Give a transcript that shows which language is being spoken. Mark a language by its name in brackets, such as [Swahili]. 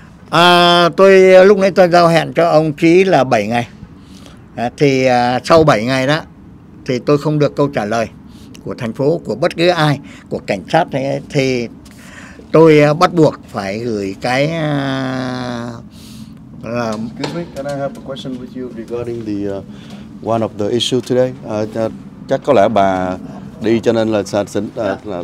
[Vietnamese] À, tôi lúc nãy tôi giao hẹn cho ông Chí là 7 ngày. Thì sau 7 ngày đó thì tôi không được câu trả lời của thành phố, của bất cứ ai, của cảnh sát này, thì tôi bắt buộc phải gửi cái [English] Excuse me, can I have a question with you regarding the one of the issue today? [Vietnamese] Chắc có lẽ bà đi cho nên là xin phép.